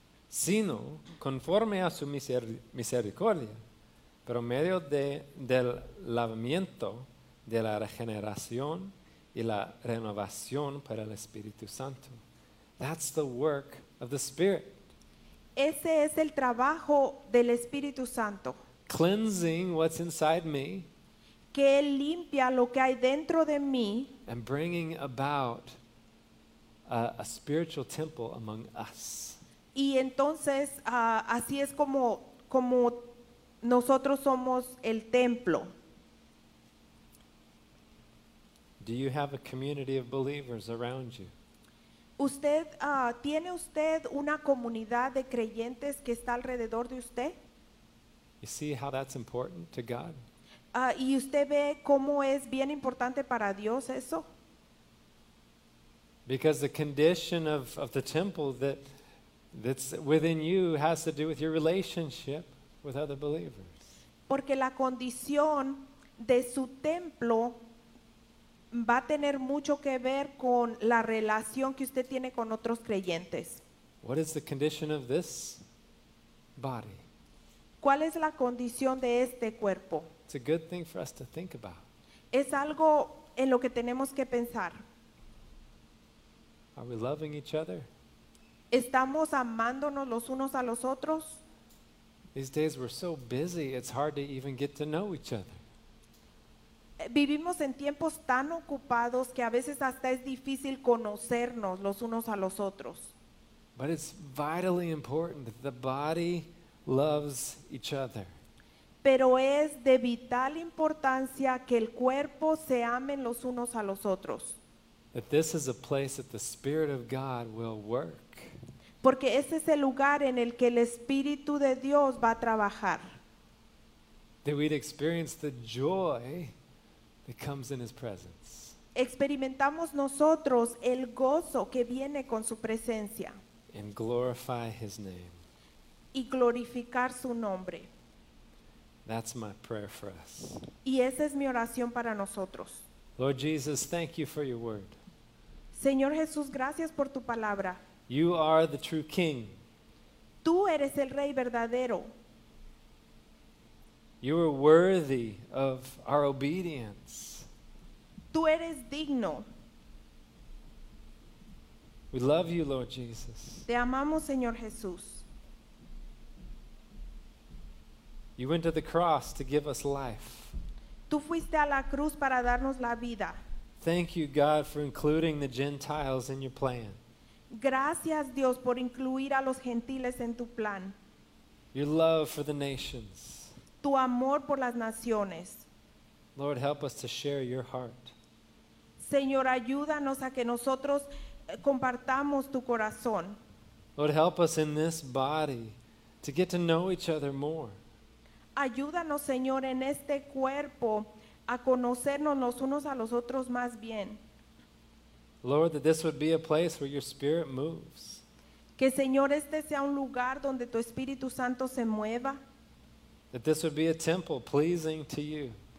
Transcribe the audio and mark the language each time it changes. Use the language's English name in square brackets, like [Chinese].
[Spanish] Sino conforme a su misericordia, por medio del lavamiento de la regeneración y la renovación para el Espíritu Santo. [English] That's the work of the Spirit. [Spanish] Ese es el trabajo del Espíritu Santo. [English] Cleansing what's inside me. [Spanish] Que Él limpia lo que hay dentro de mí. [English] And bringing about a spiritual temple among us. [Spanish] Y entonces así es como nosotros somos el templo. [English] Do you have a community of believers around you? [Spanish] ¿Usted tiene usted una comunidad de creyentes que está alrededor de usted? [English] You see how that's important to God? [Spanish] ¿Y usted ve cómo es bien importante para Dios eso? [English] Because the condition of the temple that's within you has to do with your relationship with other believers. [Spanish] Porque la condición de su templo va a tener mucho que ver con la relación que usted tiene con otros creyentes. [English] What is the condition of this body? [Spanish] ¿Cuál es la condición de este cuerpo? [English] It's a good thing for us to think about. [Spanish] Es algo en lo que tenemos que pensar. [English] Are we loving each other? [Spanish] ¿Estamos amándonos los unos a los otros? [English] These days we're so busy, it's hard to even get to know each other. [Spanish] Vivimos en tiempos tan ocupados que a veces hasta es difícil conocernos los unos a los otros. [English] But it's vitally important that the body loves each other. [Spanish] Pero es de vital importancia que el cuerpo se amen los unos a los otros. [English] That this is a place that the Spirit of God will work. [Spanish] Porque ese es el lugar en el que el Espíritu de Dios va a trabajar. [English] That we'd experience the joy that comes in His presence. [Spanish] Experimentamos nosotros el gozo que viene con su presencia. [English] And glorify His name. [Spanish] Y glorificar su nombre. [English] That's my prayer for us. [Spanish] Y esa es mi oración para nosotros. [English] Lord Jesus, thank you for your word. [Spanish] Señor Jesús, gracias por tu palabra. [English] You are the true King. [Spanish] Tú eres el Rey verdadero. [English] You are worthy of our obedience. [Spanish] Tú eres digno. [English] We love you, Lord Jesus. [Spanish] Te amamos, Señor Jesús. [English] You went to the cross to give us life. [Spanish] Tú fuiste a la cruz para darnos la vida. [English] Thank you, God, for including the Gentiles in your plan. [Spanish] Gracias, Dios, por incluir a los gentiles en tu plan. [English] Your love for the nations. [Spanish] Tu amor por las naciones. [English] Lord, help us to share your heart. [Spanish] Señor, ayúdanos a que nosotros compartamos tu corazón. [English] Lord, help us in this body to get to know each other more. [Spanish] Ayúdanos, Señor, en este cuerpo a conocernos los unos a los otros más bien. [English] Lord, that this would be a place where your Spirit moves. [Spanish] Que, Señor, este sea un lugar donde tu Espíritu Santo se mueva. [English] That this would be a temple pleasing to you.